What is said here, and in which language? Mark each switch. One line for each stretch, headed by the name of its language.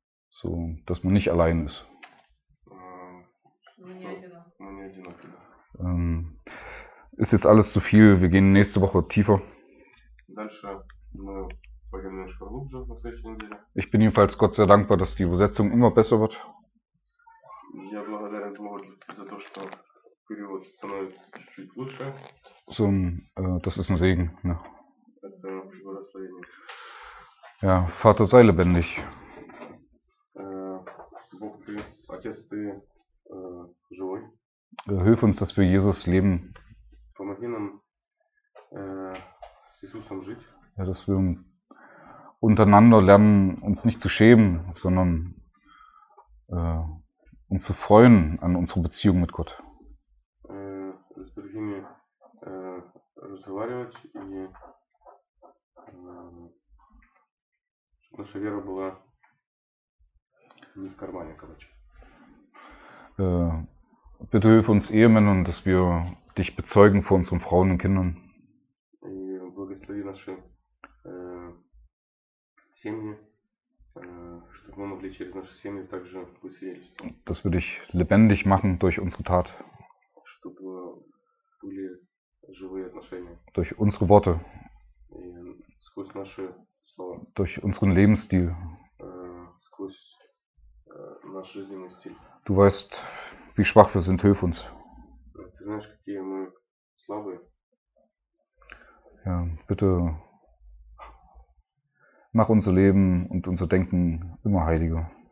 German: So, dass man nicht allein ist.
Russian: Мы не одиноки.
German: Ist jetzt alles zu viel, wir gehen nächste Woche tiefer.
Russian: Дальше мы пойдем немножко глубже на следующей неделе.
German: Ich bin jedenfalls Gott sehr dankbar, dass die Übersetzung immer besser wird.
Russian: Я благодарен Богу за то, что перевод становится чуть-чуть лучше.
German: So, das ist ein Segen. Ne?
Russian: Это благословение.
German: Ja, Vater, sei lebendig.
Russian: Бог, ты, Отец, ты живой.
German: Hilf uns, dass wir Jesus leben.
Russian: Помоги нам с Иисусом жить.
German: Ja, dass wir untereinander lernen, uns nicht zu schämen, sondern uns zu freuen an unsere Beziehung mit Gott.
Russian: С другими разговаривать и наша вера была не в кармане, короче.
German: Bitte hilf uns Ehemännern, dass wir dich bezeugen vor unseren Frauen und Kindern.
Russian: И благослови наши семьи. Чтобы мы могли через наши семьи также быть свидетельством.
German: Dass wir dich lebendig machen durch unsere Tat.
Russian: Чтобы были живые отношения.
German: Durch unsere Worte.
Russian: И сквозь наши слова.
German: Durch unseren Lebensstil.
Russian: Сквозь наш жизненный стиль.
German: Du weißt, wie schwach wir sind, hilf uns.
Russian: Ты знаешь, какие мы слабые.
German: Ja, bitte. Mach unser Leben und unser Denken immer heiliger.